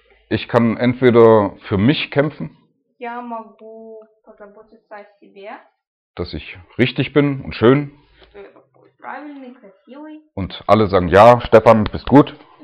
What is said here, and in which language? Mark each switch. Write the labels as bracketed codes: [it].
[de] Ich kann entweder für mich kämpfen. [ru] Я могу позаботиться о себе. [de] Dass ich richtig bin und schön. [ru] Правильный, [de] und alle sagen, ja, Stefan, bist gut.